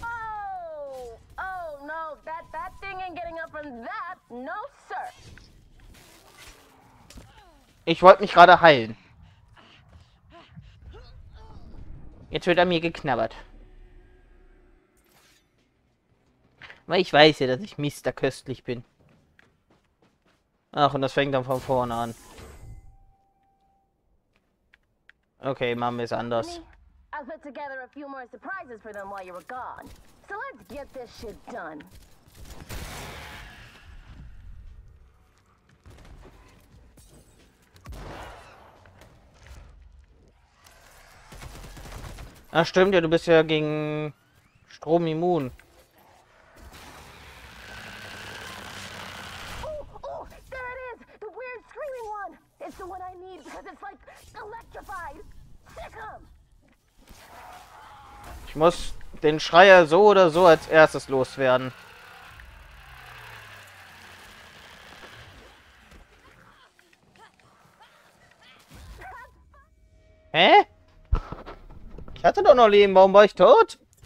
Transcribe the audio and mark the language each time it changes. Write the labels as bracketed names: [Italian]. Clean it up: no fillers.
[English] Oh, oh no, that thing ain't getting up from that. No, sir. [German] Ich wollte mich gerade heilen. Jetzt wird an mir geknabbert. Weil ich weiß ja, dass ich Mister Köstlich bin. Ach, und das fängt dann von vorne an. Okay, machen wir es anders. [English] Put together a few more surprises for them while you were gone. So let's get this shit done. [German] Ach stimmt ja, du bist ja gegen Strom immun. [English] Oh, there it is! The weird screaming one! It's the one I need because it's like electrified! Sick him! [German] Ich muss den Schreier so oder so als erstes loswerden. Hä? Ich hatte doch noch Leben, warum war ich tot?